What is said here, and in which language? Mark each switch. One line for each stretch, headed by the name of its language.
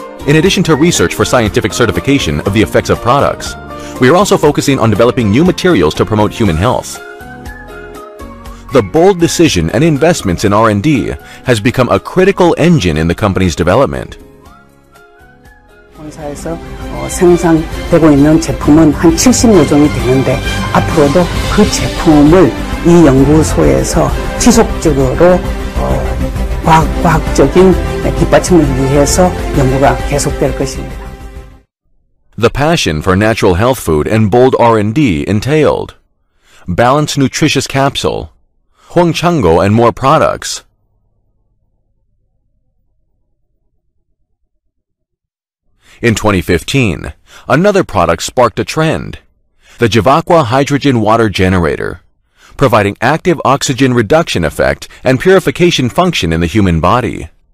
English: In addition to research for scientific certification of the effects of products, we are also focusing on developing new materials to promote human health. The bold decision and investments in R&D has become a critical engine in the company's development.
Korean: 본사에서 생산되고 있는 제품은 한 70여 종이 되는데 앞으로도 그 제품을 이 연구소에서 지속적으로 과학적인 뒷받침을 위해서 연구가 계속될 것입니다.
English: The passion for natural health food and bold R&D entailed balanced nutritious capsule, Huang Chango, and more products. In 2015, another product sparked a trend, the Jivaqua Hydrogen Water Generator, providing active oxygen reduction effect and purification function in the human body.